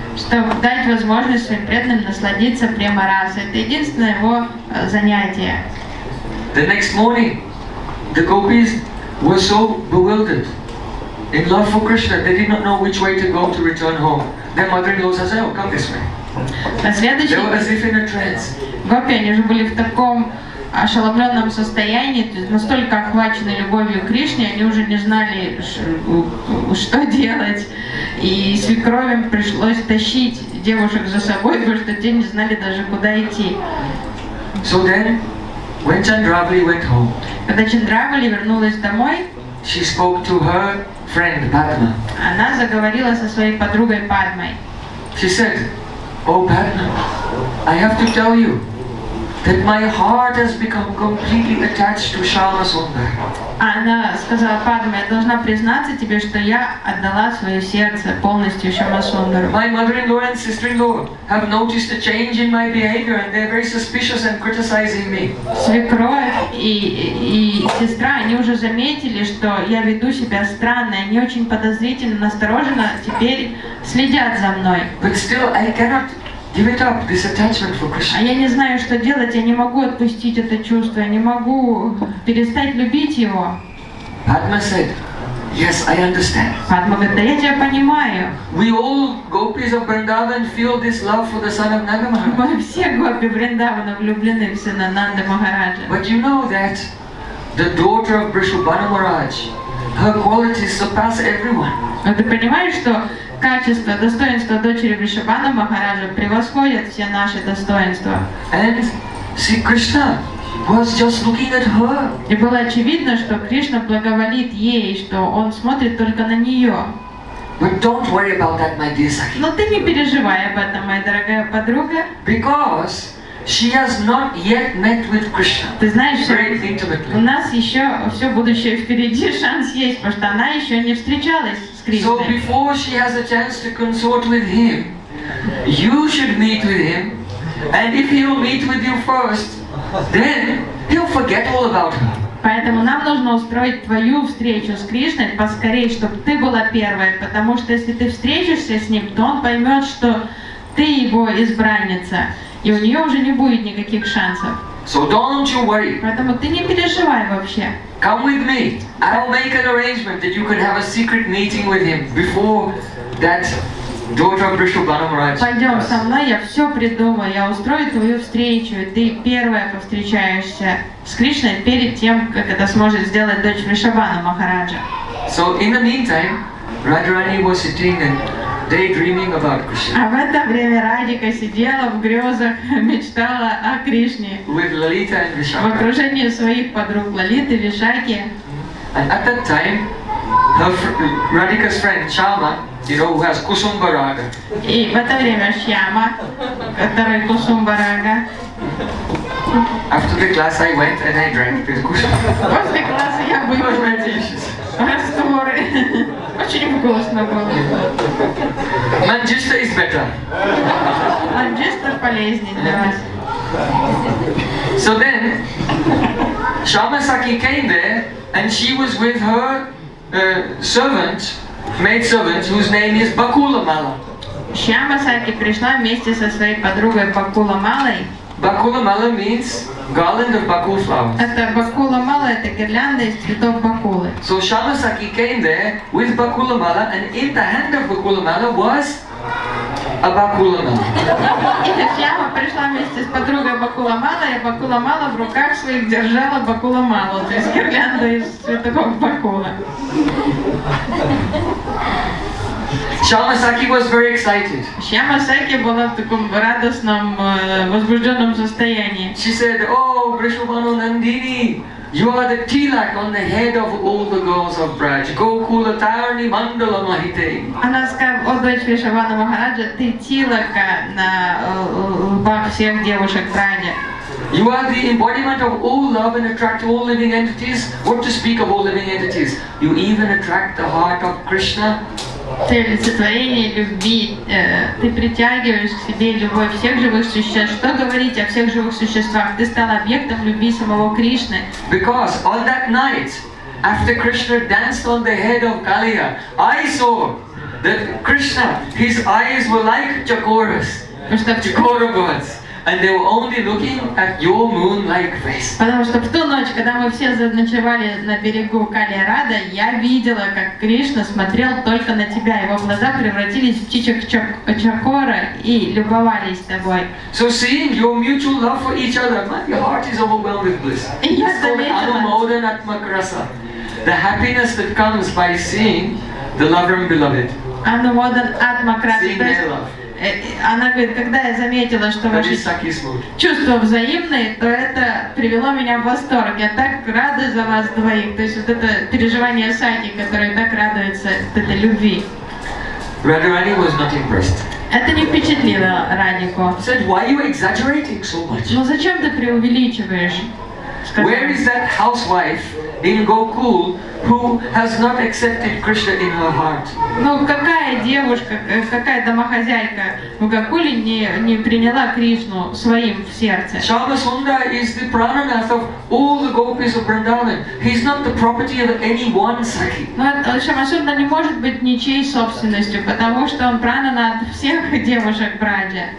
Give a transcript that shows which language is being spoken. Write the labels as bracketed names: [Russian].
[Russian] Чтобы дать возможность своим преданным насладиться према расой. Это единственное его занятие. [English] The next morning. The gopis were so bewildered in love for Krishna, they did not know which way to go to return home. Their mother-in-law says, oh, come this way. They were as if in a trance. [Russian] Гопи, они же были в таком ошеломленном состоянии, то есть настолько охвачены любовью к Кришне, они уже не знали, что делать. И свекровям пришлось тащить девушек за собой, потому что те не знали даже, куда идти. [English] So then, when Chandravali went home, [Russian] когда Чандравали вернулась домой, [English] she spoke to her friend, Padma. [Russian] Она заговорила со своей подругой Падмой. [English] She said, Oh, partner, I have to tell you that my heart has become completely attached to Shama Sundar. [Russian] Она сказала: Падма, я должна признаться тебе, что я отдала свое сердце полностью Шама Сундару. [English] My mother-in-law and sister-in-law have noticed a change in my behavior, and they're very suspicious and criticizing me. [Russian] Свекровь и сестра, они уже заметили, что я веду себя странно, они очень подозрительно, настороженно теперь следят за мной. [English] But still, I cannot give it up, this attachment for Krishna. [Russian] А я не знаю, что делать, я не могу отпустить это чувство, я не могу перестать любить его. [English] Padma said, yes, I understand. [Russian] Padma говорит, да я тебя понимаю. [English] We all gopis of Vrindavan feel this love for the son of Nanda Maharaj. [Russian] Мы все гопи Вриндавана влюблены в сына Нанды Махараджа. [English] But you know that the daughter of Вришабхана Махарадж, her qualities surpass everyone. [Russian] Но ты понимаешь, что качество, достоинство дочери Вришабхана Махараджа превосходят все наши достоинства. [English] And see, Krishna was just looking at her. [Russian] И было очевидно, что Кришна благоволит ей, что он смотрит только на нее. [English] But don't worry about that, my dear Sakhi. [Russian] Но ты не переживай об этом, моя дорогая подруга. [English] Because she has not yet met with Krishna. [Russian] Ты знаешь, у нас еще все будущее впереди, шанс есть, потому что она еще не встречалась с Кришной. [English] So before she has a chance to consort with him, you should meet with him, and if he will meet with you first, then he'll forget all about her. [Russian] Поэтому нам нужно устроить твою встречу с Кришной поскорее, чтобы ты была первой, потому что если ты встретишься с ним, то он поймет, что ты его избранница. И у нее уже не будет никаких шансов. [English] So don't you worry. [Russian] Поэтому ты не переживай вообще. [English] Come with me. I'll make an arrangement that you can have a secret meeting with him before that daughter of Вришабхана Махараджа. [Russian] Пойдем со мной, я все придумаю, я устрою твою встречу, и ты первая повстречаешься с Кришной перед тем, как это сможет сделать дочь Вришабхана Махараджа. [English] So in the meantime, Radharani was sitting and daydreaming about Krishna. [Russian] А в это время Радика сидела в грезах, мечтала о Кришне. [English] With Lalita and Vishaka. [Russian] В окружении своих подруг Лалиты и Вишаки. [English] And at that time, Radhika's friend Shyama, you know, who has Kusumba Raga. [Russian] И в это время Шьяма, который Кусумба Рага. [English] After the class, I went and I drank this Kusumba. [Russian] После класса я выпил. Растворы. Очень вкусно было. [English] Манджиста is better. [Russian] Манджиста полезнее для вас. [English] So then, Shama Sakhi came there, and she was with her servant, maid servant, whose name is Bakula Mala. [Russian] Shama Sakhi пришла вместе со своей подругой Бакула Малой. [English] Bakula Mala means garland of Bakula flowers. [Russian] Это Бакула Мала, это гирлянда из цветов Бакулы. [English] So Shama Sakhi came there with Bakula Mala, and in the hand of Bakula Mala was a Bakula Mala. [Russian] Шьяма пришла вместе с подругой Бакула Мала, и Бакула Мала в руках своих держала Бакула Малу, то есть гирлянда из цветов Бакулы. [English] Shama Sakhi was very excited. [Russian] Shama Sakhi была в таком радостном, возбужденном состоянии. [English] She said, "Oh, Vrishabhanu Nandini, you are the tilak on the head of all the girls of Braj. [Sanskrit] Gokula Tarani Mandala Mahite." [Russian] Она сказала: "О, дочь Вришабхана Махараджа, ты тилака на лбах всех девушек Бража." [English] You are the embodiment of all love and attract all living entities. What to speak of all living entities? You even attract the heart of Krishna. [Russian] Ты олицетворение любви, ты притягиваешь к себе любовь всех живых существ. Что говорить о всех живых существах? Ты стал объектом любви самого Кришны. [English] Because on that night, after Krishna danced on the head of Kaliya, I saw that Krishna, his eyes were like chakoras, chakora gods. And they were only looking at your moon-like face. [Russian] Потому что в ту ночь, когда мы все заночевали на берегу Калиарада, я видела, как Кришна смотрел только на тебя. Его глаза превратились в птичек чакора и любовались тобой. [English] So seeing your mutual love for each other, my heart is overwhelmed with bliss. It's called anumodan atmakrasa. The happiness that comes by seeing the lover and beloved. [Sanskrit] Anumodan atmakrasa. [English] Seeing their love. [Russian] Она говорит, когда я заметила, что ваши чувства взаимные, то это привело меня в восторг. Я так рада за вас двоих. То есть вот это переживание Саки, которая так радуется этой любви. [English] Radharani was not impressed. [Russian] Это не впечатлило Радику. [English] Said, why are you exaggerating so much? [Russian] Но зачем ты преувеличиваешь? [English] Where is that housewife in Gokul who has not accepted Krishna in her heart? [Russian] Ну какая девушка, какая домохозяйка в Гокуле не приняла Кришну своим в сердце? [English] Shyama Sundara is the Prananath of all the gopis of Vrindavan. He's not the property of any one sakhi. [Russian] Но Shyama Sundara не может быть ничьей собственностью, потому что он Прананад всех девушек Брадже.